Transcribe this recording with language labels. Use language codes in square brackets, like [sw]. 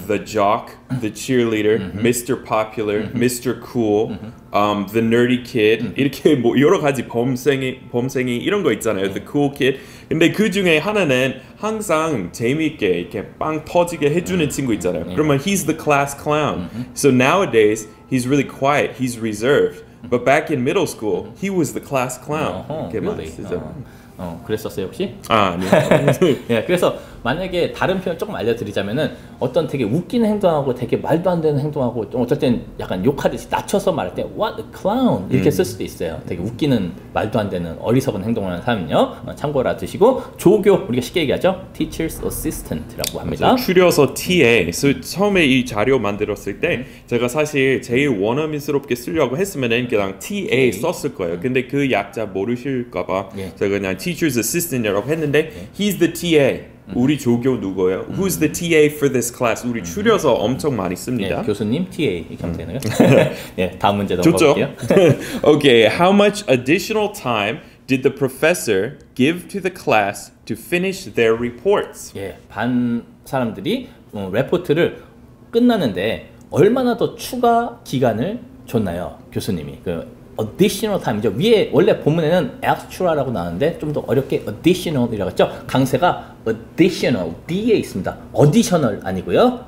[en] The jock, the cheerleader, Mr. Popular, Mr. Cool, the nerdy kid. [ko] 이렇게 뭐 여러 가지 범생이 이런 거 있잖아요. [en] The cool kid. [ko] 근데 그 중에 하나는 항상 재미있게 이렇게 빵 터지게 해주는 친구 있잖아요. 그러면 [en] he's the class clown. So nowadays he's really quiet. He's reserved. But back in middle school, he was the class clown. Really? [ko] 그랬었어요 혹시? 아, 아니요. 네, 그래서 만약에 다른 표현 조금 알려드리자면은 어떤 되게 웃기는 행동하고 되게 말도 안 되는 행동하고 좀 어쩔 땐 약간 욕하듯이 낮춰서 말할 때 [en] What a clown [ko] 이렇게 쓸 수도 있어요. 되게 웃기는 말도 안 되는 어리석은 행동을 하는 사람은요. 참고로 두시고 조교 우리가 쉽게 얘기하죠. Teacher's Assistant라고 합니다. 줄여서 TA. 그래서 처음에 이 자료 만들었을 때 제가 사실 제일 원어민스럽게 쓰려고 했으면은 그냥 TA 썼을 거예요. 근데 그 약자 모르실까 봐 예. 제가 그냥 Teacher's Assistant이라고 했는데 예. [en] He's the TA. [ko] 우리 조교 누구예요? [en] Who's the TA for this class? [ko] 우리 줄여서 엄청 많이 씁니다. 네, 교수님 TA 이렇게 하면 되나요? 네, 다음 문제 넘어갈게요. [en] Okay, how much additional time did the professor give to the class to finish their reports? [ko] 예, 반 사람들이 레포트를 끝나는데 얼마나 더 추가 기간을 줬나요, 교수님이? 그 additional time이죠. 위에 원래 본문에는 extra라고 나왔는데 좀 더 어렵게 additional이라고 했죠. 강세가 additional, d에 있습니다. additional 아니고요.